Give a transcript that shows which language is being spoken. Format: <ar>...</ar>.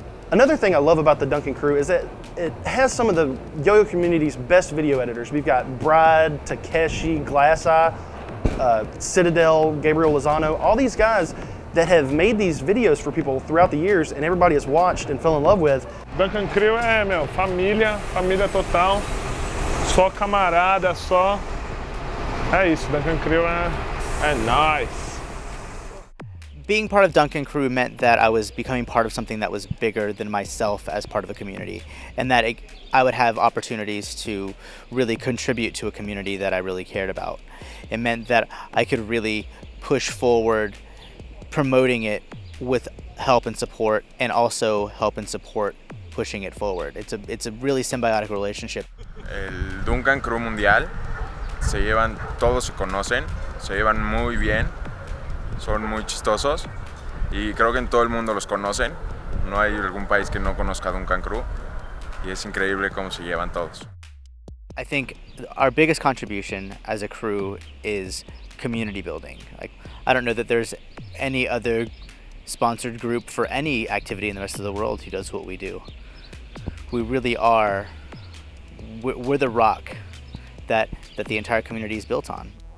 <en>Another thing I love about the Duncan crew is that it has some of the yo-yo community's best video editors. We've got Bride, Takeshi, Glass Eye, Citadel, Gabriel Lozano, all these guys that have made these videos for people throughout the years and everybody has watched and fell in love with.</en> <pt>Duncan crew é, meu, família, família total, só camarada, só, é isso, Duncan crew é nice.</pt> <en>Being part of Duncan crew meant that I was becoming part of something that was bigger than myself as part of a community, and that I would have opportunities to really contribute to a community that I really cared about. It meant that I could really push forward promoting it with help and support, and also help and support pushing it forward. It's a really symbiotic relationship.</en> <es>El Duncan crew mundial se llevan, todos se conocen, se llevan muy bien. Son muy chistosos y creo que en todo el mundo los conocen. No hay algún país que no conozca a Duncan crew y es increíble cómo se llevan todos.</es> <en>I think our biggest contribution as a crew is community building. Like, I don't know that there's any other sponsored group for any activity in the rest of the world who does what we do. We really are, we're the rock that the entire community is built on.</en>